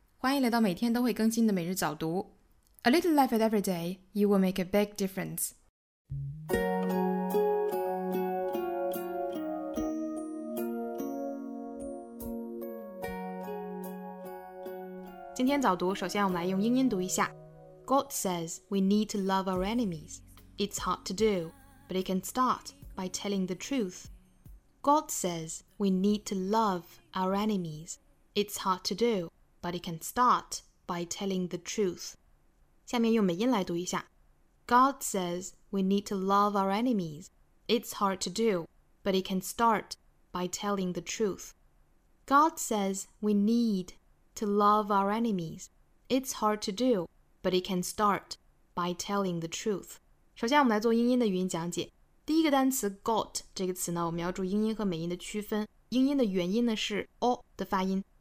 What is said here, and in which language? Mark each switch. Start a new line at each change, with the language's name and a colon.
Chinese: 欢迎来到每天都会更新的每日早读。
English: A little life at every day, you will make a big difference. God says we need to love our enemies. It's hard to do, but it can start by telling the truth. God says we need to love our enemies. It's hard to do, but it can start by telling the truth.
Chinese: 下面用美音来读一下。
English: God says we need to love our enemies. It's hard to do, but it can start by telling the truth. God says we need to love our enemies. It's hard to do, but it can start by telling the truth.
Chinese: 首先我们来做英音的语音讲解。第一个单词 got 这个词呢，我们要注意英音和美音的区分。英音的元音呢是 o 的发音。